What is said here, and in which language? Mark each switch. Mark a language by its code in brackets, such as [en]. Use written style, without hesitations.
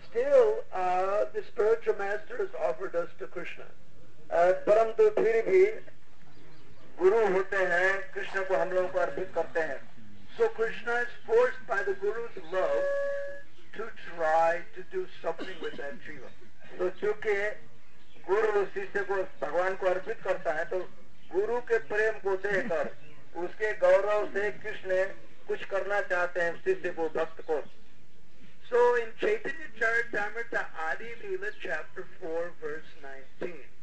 [en] such a master has offered us to Krishna. [hi] परंतु फिर भी गुरु होते हैं कृष्ण को हम लोगों को अर्पित करते हैं. [en] So Krishna is forced by the Guru's love to try to do something with that jiva. [hi] तो चूंकि गुरु शिष्य को भगवान को अर्पित करता है तो गुरु के प्रेम को देखकर उसके गौरव से कृष्ण कुछ करना चाहते हैं शिष्य को भक्त को. [en] So in Chaitanya Charitamrita Adi Leela chapter 4 verse 19.